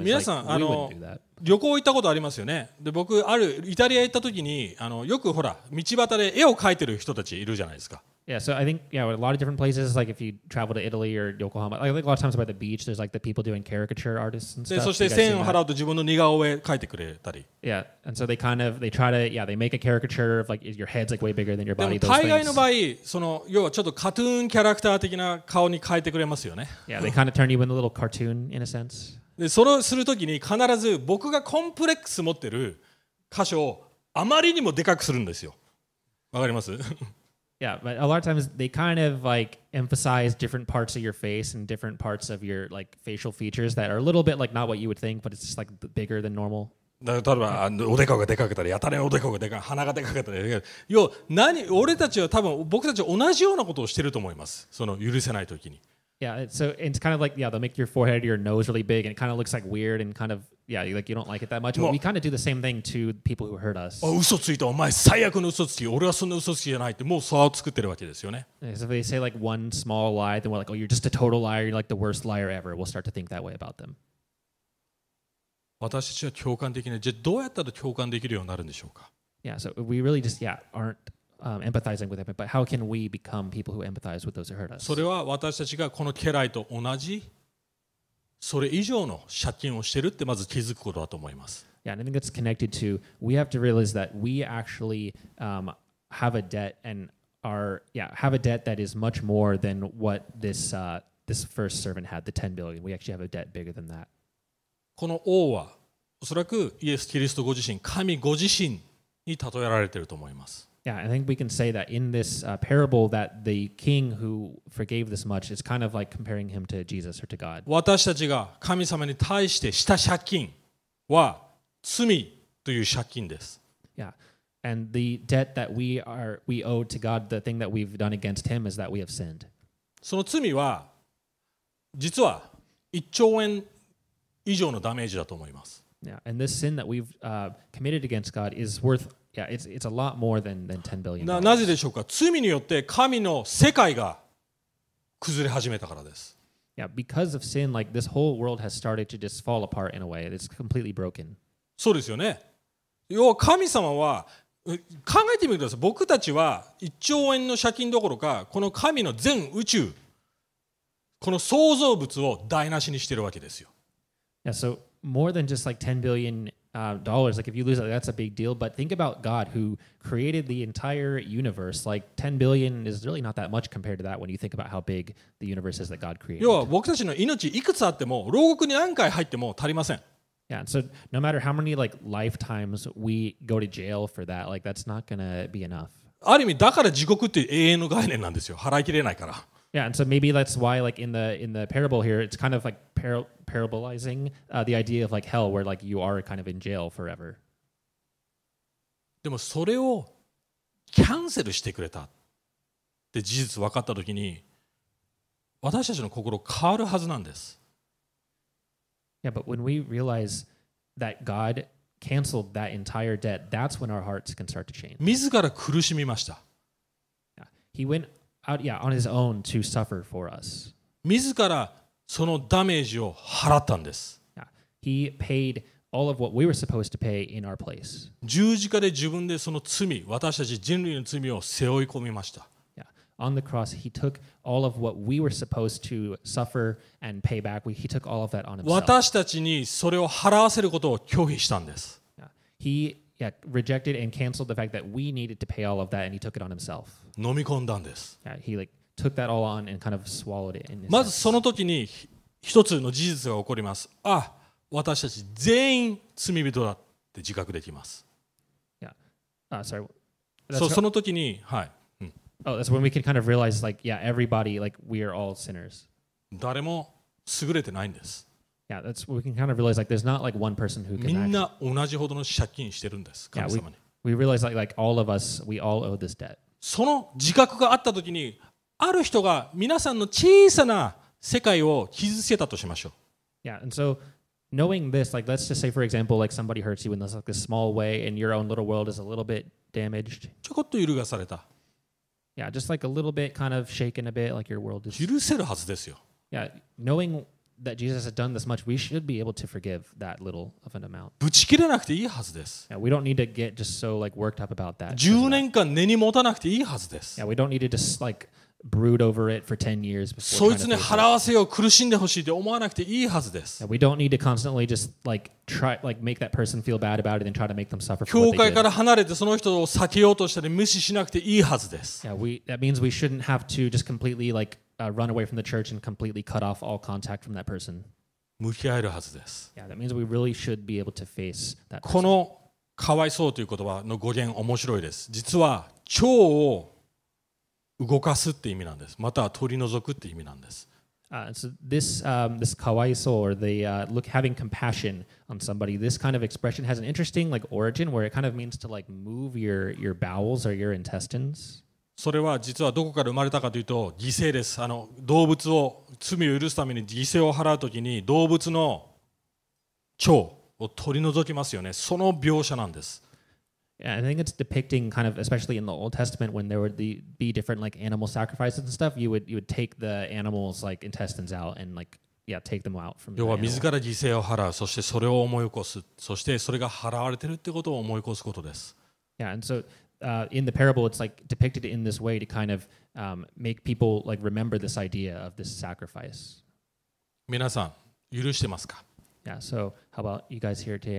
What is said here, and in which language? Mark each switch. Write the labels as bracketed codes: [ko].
[ja] 皆さん、 [en] like, we wouldn't do that. [ja] 旅行行ったことありますよね。で、僕、あるイタリア行った時に、よくほら、道端で絵を描いてる人たちいるじゃないですか。 [en] Yeah, so I think a lot of different places, like if you travel to Italy or Yokohama, I think a lot of times by the beach, there's like the people doing caricature artists and stuff. [ja] そして千円払うと自分の似顔絵描いてくれたり。 [en] Yeah, and so they make a caricature of like your head's like way bigger than your body. [ja] でも大概の場合、その要はちょっとカトゥーンキャラクター的な顔に描いてくれますよね。 [en] Yeah, they kind of turn you into a little cartoon in a sense. [ja] で、それをするときに必ず僕がコンプレックス持ってる箇所をあまりにもでかくするんですよ。わかります？ [en] Yeah, but a lot of times they kind of like emphasize different parts of your face and different parts of your like facial features that are a little bit like not what you would think, but it's just like bigger than normal. [ja] 例えば、おでこがでかくたり、やたらおでこがでかく、鼻がでかくたり。要は何、俺たちは多分僕たちは同じようなことをしてると思います。その許せないときに。 [en] Yeah, so it's kind of like, they'll make your forehead or your nose really big and it kind of looks like weird and kind of, like you don't like it that much. But we kind of do the same thing to people who hurt us. [ja] Oh, 嘘ついた。お前最悪の嘘つき。俺はそんな嘘つきじゃないって、もう差を作ってるわけですよね。 [en] So if they say like one small lie, then we're like, oh, you're just a total liar. You're like the worst liar ever. We'll start to think that way about them. [ja] 私たちは共感できない。じゃあどうやったら共感できるようになるんでしょうか? [en] Yeah, so we really just, aren't... empathizing with them, but how can we become people who empathize with those who hurt us? [ja] それは私たちがこの家来と同じそれ以上の借金をしてるってまず気づくことだと思います。 [en] Yeah, and I think that's connected to we have to realize that we actually have a debt and have a debt that is much more than what this first servant had, the 10 billion. We actually have a debt bigger than that. [ja] この王はおそらくイエス・キリストご自身、神ご自身に例えられていると思います。 [en] Yeah, I think we can say that in this parable that the king who forgave this much is kind of like comparing him to Jesus or to God. [ja] 私たちが神様に対してした借金は罪という借金です。 [en] Yeah, and the debt that we owe to God, the thing that we've done against him is that we have sinned. [ja] その罪は実は1兆円以上のダメージだと思います。 [en] Yeah, and this sin that we've committed against God is worthYeah, it's a lot more than 10 billion. [ja] なぜでしょうか。罪によって神の世界が崩れ始めたからです。 [en] Yeah, because of sin, like this whole world has started to just fall apart in a way. It's completely broken. [ja] そうですよね。要は神様は考えてみてください。僕たちは1兆円の借金どころか、この神の全宇宙、この創造物を台無しにしているわけですよ。 [en] Yeah, so more than just like 10 billion. Dollars, like if you lose it, that's a big deal. But think about God who created the entire universe. Like 10 billion is really not that much compared to that when you think about how big the universe is that God created. [ja] 要は僕たちの命いくつあっても牢獄に何回入っても足りません。 [en] Yeah, so no matter how many like lifetimes we go to jail for that, like that's not gonna be enough. [ja] ある意味だから地獄って永遠の概念なんですよ。払い切れないから。 [en] Yeah, and so maybe that's why, like in the parable here, it's kind of like parabolizing the idea of like hell, where like you are kind of in jail forever. [ja] でもそれをキャンセルしてくれたって事実分かったときに、私たちの心変わるはずなんです。 [en] Yeah, but when we realize that God canceled that entire debt, that's when our hearts can start to change. [ja] 自ら苦しみました。 [en] Yeah, he went. Out, yeah, on his own to suffer for us. [ja] 自らそのダメージを払ったんです。 [en] Yeah. He paid all of what we were supposed to pay in our place. [ja] 十字架で自分でその罪、私たち人類の罪を背負い込みました。 [en] On the cross, he took all of what we were supposed to suffer and pay back. He took all of that on himself. [ja] 私たちにそれを払わせることを拒否したんです。 [en] He rejected and canceled the fact that we needed to pay all of that and he took it on himself. [ja] 飲み込んだんです。 [en] He took that all on and kind of swallowed it. [ja] まずその時に一つの事実が起こります。あ、私たち全員罪人だって自覚できます。その時に、はい。 [en] Oh, that's when we can kind of realize, like, yeah, everybody, like, we are all sinners. [ja] 誰も優れてないんです。 [en] Yeah, that's when we can kind of realize, like, there's not like one person who can. [ja] みんな同じほどの借金してるんです。神様に。 [en] We realize, like all of us, we all owe this debt. [ja] その自覚があったときに、ある人が皆さんの小さな世界を傷つけたとしましょう。 [en] Yeah, and so knowing this, like, let's just say, for example, like somebody hurts you in this like a small way, and your own little world is a little bit damaged. [ja] ちょこっと揺るがされた。 [en] Yeah, just like a little bit, kind of shaken a bit, like your world is. [ja] 許せるはずですよ。 [en] Yeah, knowing that Jesus has done this much, we should be able to forgive that little of an amount. [ja] ぶち切れなくていいはずです。 [en] Yeah, we don't need to get just so like worked up about that. [ja] 10年間根に持たなくていいはずです。 [en] Yeah, we don't need to just like brood over it for 10 years before. [ja] そいつに払わせよう苦しんでほしいって思わなくていいはずです。 [en] Yeah, we don't need to constantly just like try like make that person feel bad about it and try to make them suffer for what they did. [ja] 教会から離れてその人を避けようとしたり無視しなくていいはずです。 [en] Yeah, that means we shouldn't have to just completely like run away from the church and completely cut off all contact from that person. [ja] 向き合えるはずです。 [en] Yeah, that means we really should be able to face that [ja] このかわいそうという言葉の語源面白いです。実は腸を動かすって意味なんです。または取り除くって意味なんです。 [en] This かわいそう or the look having compassion on somebody. This kind of expression has an interesting like origin where it kind of means to like move your bowels or your intestines. [ja] それは実はどこから生まれたかというと犠牲です。動物を罪を許すために犠牲を払うときに動物の腸を取り除きますよね。その描写なんです。 [en] Yeah, I think it's depicting kind of, especially in the Old Testament, when there would be different like animal sacrifices and stuff. You would take the animal's like intestines out and like yeah, take them out from. [ja] 要は自ら犠牲を払う、そしてそれを思い起こす、そしてそれが払われてるってことを思い起こすことです。 [en] Yeah, and so in the parable, it's like depicted in this way to kind of make people like remember this idea of this sacrifice. [ja] 皆さん、許してますか？ [en] Yeah, so how about you guys here today?